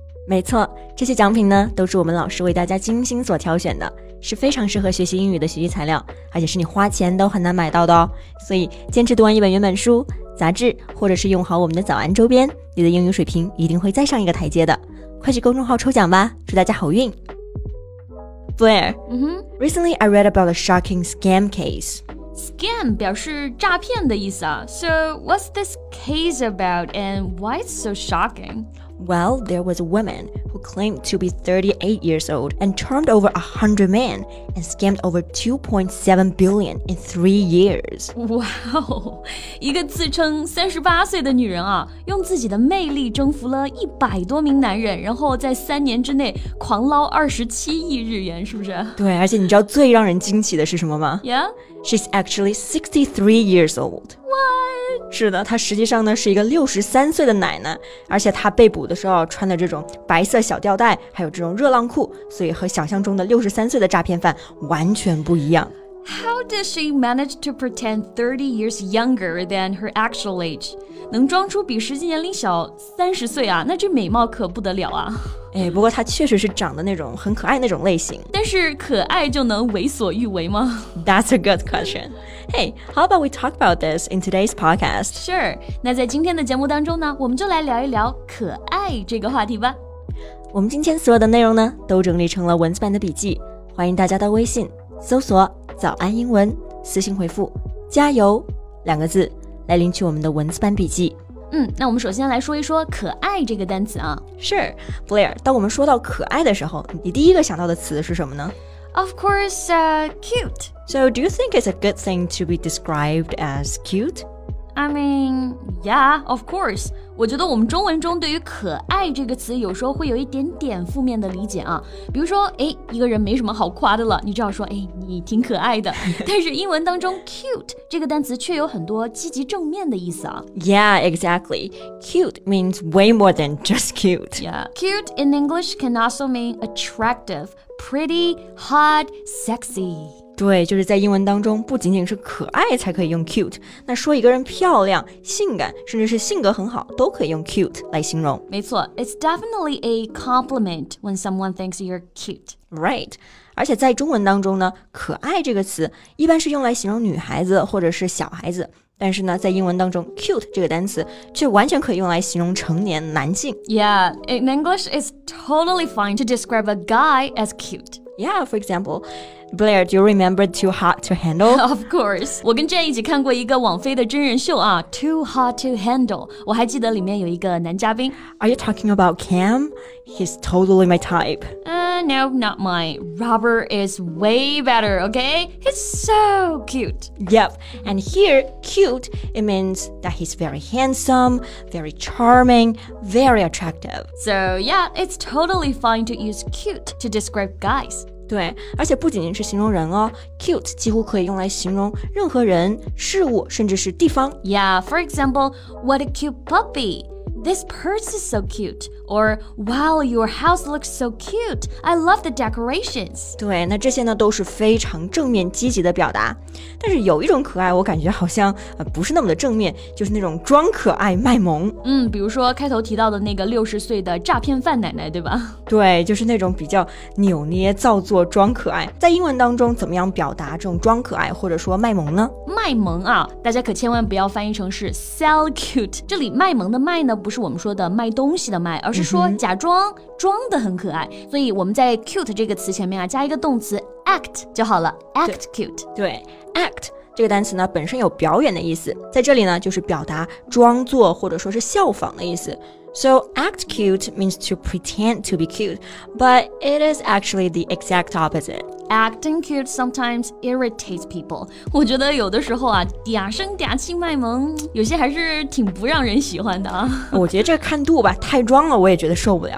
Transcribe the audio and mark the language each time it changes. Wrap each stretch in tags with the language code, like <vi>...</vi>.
<zh>没错，这些奖品呢，都是我们老师为大家精心所挑选的，是非常适合学习英语的学习材料，而且是你花钱都很难买到的哦。所以，坚持读完一本原版书、杂志，或者是用好我们的早安周边，你的英语水平一定会再上一个台阶的。快去公众号抽奖吧，祝大家好运。Blair,、 mm-hmm.</zh> <en>Recently I read about a shocking scam case.</en> <zh>Scam 表示诈骗的意思啊。</zh> <en>So what's this case about and why it's so shocking? Well, there was a woman who claimed to be 38 years old and charmed over 100 men and scammed over 2.7 billion in 3 years.</en> <zh>Wow, 一个自称38岁的女人啊，用自己的魅力征服了100多名男人，然后在三年之内狂捞27亿日元，是不是？对，而且你知道最让人惊奇的是什么吗？</zh> <en>Yeah? She's actually 63 years old. What?</en> <zh>是的，她实际上呢是一个63岁的奶奶，而且她被捕的时候穿的这种白色小吊带，还有这种热浪裤，所以和想象中的63岁的诈骗犯完全不一样。</zh> <en>How does she manage to pretend 30 years younger than her actual age?</en> <zh>能装出比实际年龄小30岁啊，那这美貌可不得了啊。哎，不过她确实是长得那种很可爱那种类型。但是可爱就能为所欲为吗？</zh> <en>That's a good question. Hey, how about we talk about this in today's podcast?</en> <zh>Sure, 那在今天的节目当中呢，我们就来聊一聊可爱这个话题吧。我们今天所有的内容呢，都整理成了文字版的笔记，欢迎大家到微信搜索早安英文，私信回复加油两个字来领取我们的文字版笔记。嗯，那我们首先来说一说可爱这个单词啊。是 Blair, 当我们说到可爱的时候，你第一个想到的词是什么呢？</zh> <en>Of course, cute. So do you think it's a good thing to be described as cute? I mean, yeah, of course.</en> <zh>我觉得我们中文中对于可爱这个词有时候会有一点点负面的理解啊。比如说，哎，一个人没什么好夸的了，你就要说，哎，你挺可爱的。但是英文当中 cute 这个单词却有很多积极正面的意思啊。</zh> <en>Yeah, exactly. Cute means way more than just cute. Yeah. Cute in English can also mean attractive, pretty, hot, sexy.</en> <zh>对，就是在英文当中不仅仅是可爱才可以用 cute, 那说一个人漂亮、性感甚至是性格很好都可以用 cute 来形容。没错，</zh> <en>it's definitely a compliment when someone thinks you're cute.</en> <zh>Right, 而且在中文当中呢，可爱这个词一般是用来形容女孩子或者是小孩子，但是呢在英文当中 cute 这个单词却完全可以用来形容成年男性。</zh> <en>Yeah, in English it's totally fine to describe a guy as cute. Yeah, for example,Blair, do you remember Too Hot to Handle? Of course.</en> <zh>我跟 Jen 一起看过一个网飞的真人秀啊 Too Hot to Handle. 我还记得里面有一个男嘉宾。</zh> <en>Are you talking about Cam? He's totally my type. No, not mine. Robert is way better, okay? He's so cute. Yep. And here, cute, it means that he's very handsome, very charming, very attractive. So yeah, it's totally fine to use cute to describe guys.</en> <zh>对，而且不仅仅是形容人哦 ，cute 几乎可以用来形容任何人、事物，甚至是地方。</zh> <en>Yeah, for example, what a cute puppy. This purse is so cute. Or, wow, your house looks so cute. I love the decorations.</en> <zh>对，那这些呢都是非常正面积极的表达。但是有一种可爱，我感觉好像不是那么的正面，就是那种装可爱卖萌。嗯，比如说开头提到的那个60岁的诈骗犯奶奶，对吧？对，就是那种比较扭捏造作装可爱。在英文当中怎么样表达这种装可爱或者说卖萌呢？卖萌啊，大家可千万不要翻译成是 sell cute。这里卖萌的卖呢，不是我们说的卖东西的卖，而是说假装、嗯、装得很可爱。所以我们在 cute 这个词前面啊，加一个动词 act 就好了。</zh> <en>act</en> <zh>对</zh> <en>cute</en> <zh>对act这个单词呢本身有表演的意思，在这里呢就是表达装作或者说是效仿的意思，</zh> <en>So act cute means to pretend to be cute, but it is actually the exact opposite. Acting cute sometimes irritates people.</en> <zh>我觉得有的时候啊，嗲声嗲气卖萌，有些还是挺不让人喜欢的啊。我觉得这看度吧，太装了，我也觉得受不了。</zh>